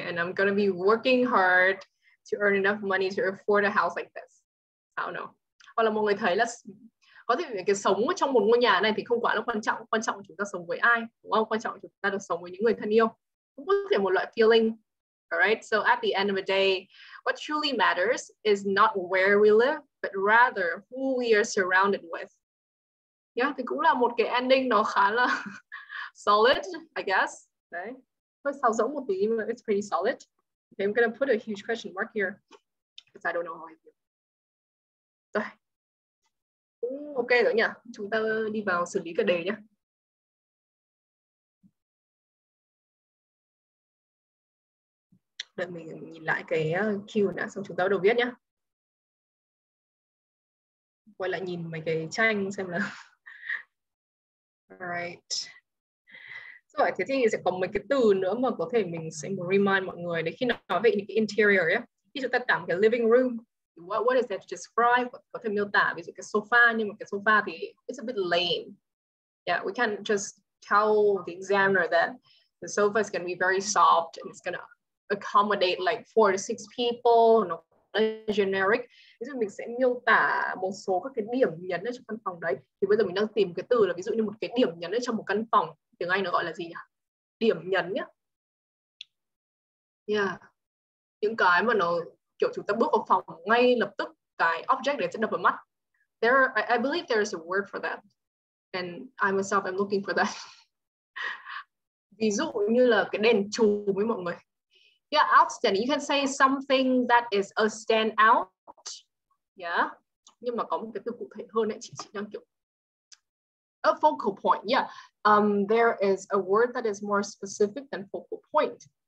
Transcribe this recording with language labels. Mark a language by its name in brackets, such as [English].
[English] And I'm gonna be working hard to earn enough money to afford a house like this. I don't know. [Vietnamese] Hoặc là mọi người thấy là có thể cái sống trong một ngôi nhà này thì không quá là quan trọng. Quan trọng chúng ta sống với ai, đúng không? Quan trọng chúng ta được sống với những người thân yêu. Cũng có thể một loại feeling. [English] Alright, so at the end of the day, what truly matters is not where we live, but rather who we are surrounded with. [Vietnamese] Yeah, thì cũng là một cái ending nó khá là solid, [English] I guess. [Vietnamese] Đấy. Hơi sao rỗng một tí, [English] but it's pretty solid. Okay, I'm gonna put a huge question mark here, because I don't know how I feel. [Vietnamese] Rồi. Cũng ok rồi nhỉ? Chúng ta đi vào xử lý cái đề nhé. Đợi mình nhìn lại cái queue đã xong chúng ta bắt đầu viết nhá. Quay lại nhìn mấy cái tranh xem là [English] alright. [Vietnamese] Rồi thế thì sẽ có mấy cái từ nữa mà có thể mình sẽ remind mọi người để khi nói về những cái interior nhá. Khi chúng ta tạm cái living room, [English] what is that to describe? [Vietnamese] Có thể miêu tả ví dụ cái sofa, nhưng mà cái sofa thì [English] it's a bit lame. Yeah, we can't just tell the examiner that the sofa is going to be very soft and it's going to accommodate like 4 to 6 people, [Vietnamese] nó generic. Ví dụ mình sẽ miêu tả một số các cái điểm nhấn ở trong căn phòng đấy. Thì bây giờ mình đang tìm cái từ là ví dụ như một cái điểm nhấn ở trong một căn phòng. Tiếng Anh nó gọi là gì nhỉ? Điểm nhấn nhá. Yeah. Những cái mà nó kiểu chúng ta bước vào phòng ngay lập tức cái object để sẽ đập vào mắt. [English] There are, I believe there is a word for that. And I myself am looking for that. [Vietnamese] Ví dụ như là cái đèn chùm với mọi người. [English] Yeah, outstanding. You can say something that is a standout. Yeah. [Vietnamese] Nhưng mà có một cái từ cụ thể hơn ấy, chị đang kiểu [English] a focal point. Yeah. There is a word that is more specific than focal point.